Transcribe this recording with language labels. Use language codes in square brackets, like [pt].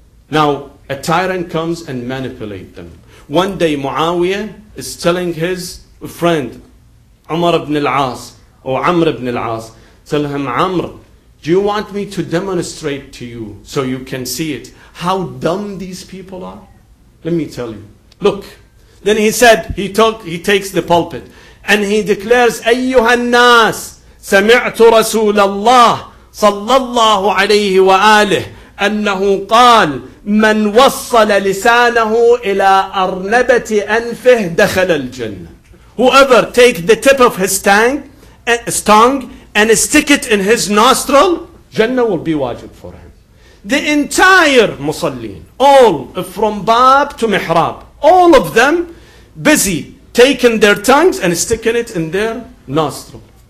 [en] Now, a tyrant comes and manipulates them. One day, Muawiyah is telling his friend, Umar ibn al-As, or Amr ibn al-As, tell him, Amr, do you want me to demonstrate to you, so you can see it, how dumb these people are? Let me tell you. Look, then he said, he takes the pulpit, and he declares, [ar] أَيُّهَا النَّاسِ سَمِعْتُ رَسُولَ اللَّهِ صَلَّى اللَّهُ عَلَيْهِ وَآلِهِ أَنَّهُ قَالْ مَنْ وَصَّلَ لِسَانَهُ إِلَىٰ أَرْنَبَةِ أَنْفِهِ دَخَلَ الْجَنَّةِ. [en] Whoever take the tip of his tongue and stick it in his nostril, Jannah will be wajib for him. The entire Musallin, all from Bab to Mihrab, all of them busy taking their tongues and sticking it in their nostril.